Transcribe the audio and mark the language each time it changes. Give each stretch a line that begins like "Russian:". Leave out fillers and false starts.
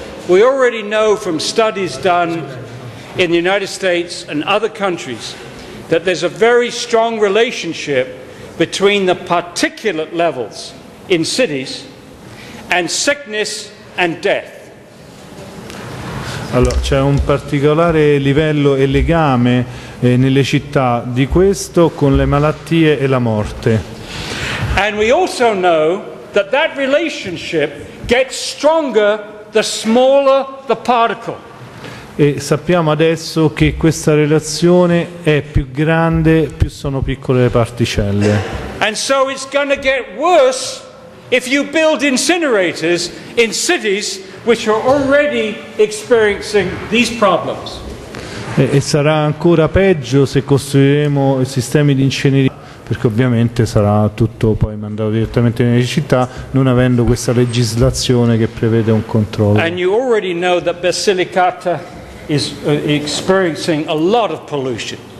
English: We already know from studies done in the United States and other countries that there's a very strong relationship between the particulate levels in cities and sickness and death.
Italian: Allora, c'è un particolare livello e legame nelle città di questo con le malattie e la morte.
English: And we also know that that relationship gets stronger the smaller the particle.
Italian: e sappiamo adesso che questa relazione è più grande più sono piccole le particelle.
English: And so it's going to get worse if you build incinerators in cities which are already experiencing these problems.
Italian: E sarà ancora peggio se costruiremo sistemi di incenerimento, perché ovviamente sarà tutto poi mandato direttamente nelle città, non avendo questa legislazione che prevede un controllo.
English: And you already know that Basilicata is experiencing a lot of pollution.